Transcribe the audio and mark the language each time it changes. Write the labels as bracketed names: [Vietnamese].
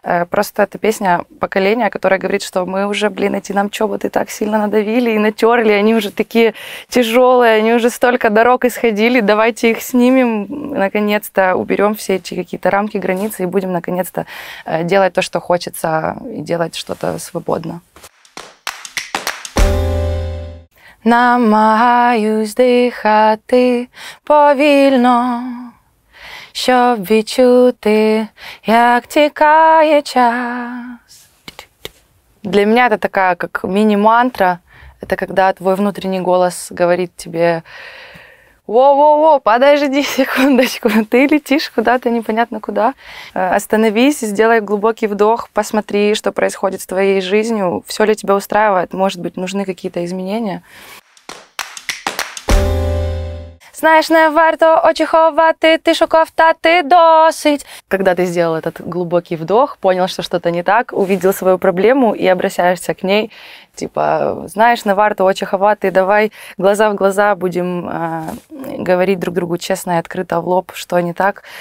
[Russian] Просто это песня поколения, которая говорит, что мы уже, блин, эти нам чоботы так сильно надавили и натерли, они уже такие тяжелые, они уже столько дорог исходили, давайте их снимем, наконец-то уберем все эти какие-то рамки, границы и будем наконец-то делать то, что хочется, и делать что-то свободно. [Ukrainian] Намагаюсь дихати повільно, щоб відчути, як тікає час. [Russian] Для меня это такая, как мини-мантра. Это когда твой внутренний голос говорит тебе: «Во-во-во, подожди секундочку, ты летишь куда-то непонятно куда. Остановись, сделай глубокий вдох, посмотри, что происходит с твоей жизнью. Все ли тебя устраивает? Может быть, нужны какие-то изменения?» [Ukrainian] Знаєш, не варто очі ховати, ти шукав, та ти досить. [Russian] Когда ты сделал этот глубокий вдох, понял, что что-то не так, увидел свою проблему и обращаешься к ней, типа: [Ukrainian] «Знаєш, не варто очі ховати, [Russian] давай глаза в глаза будем говорить друг другу честно и открыто в лоб, что не так.